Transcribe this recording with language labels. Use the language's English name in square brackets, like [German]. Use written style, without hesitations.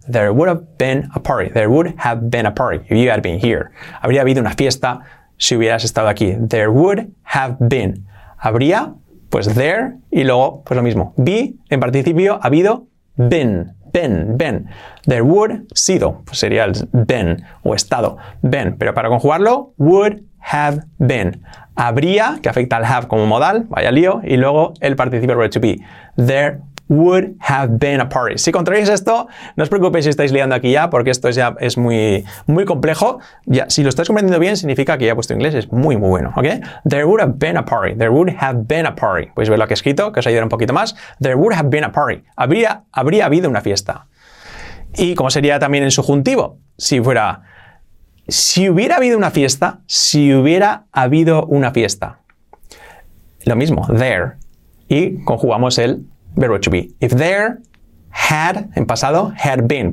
[English] There would have been a party. There would have been a party if you had been here. [Spanish] Habría habido una fiesta si hubieras estado aquí. [English] There would have been. [Spanish] Habría, pues there, y luego, pues lo mismo. Be, en participio, habido, been. Been. [English] There would [Spanish] sido. Pues sería el been o estado. [English] Been. [Spanish] Pero para conjugarlo, would have been. Habría, que afecta al have como modal. Vaya lío. Y luego el participio verbo to be. [English] There would have been a party. [Spanish] Si contraéis esto, no os preocupéis si estáis liando aquí ya, porque esto ya es muy, muy complejo. Ya, si lo estáis comprendiendo bien, significa que ya vuestro inglés es muy, muy bueno. [English] ¿Okay? There would have been a party. There would have been a party. [Spanish] Podéis ver lo que he escrito, que os ayudará un poquito más. [English] There would have been a party. [Spanish] Habría habido una fiesta. Y como sería también en subjuntivo, si fuera, si hubiera habido una fiesta, si hubiera habido una fiesta. Lo mismo, there. Y conjugamos el verbo to be. [English] If there had, [Spanish] en pasado, [English] had been.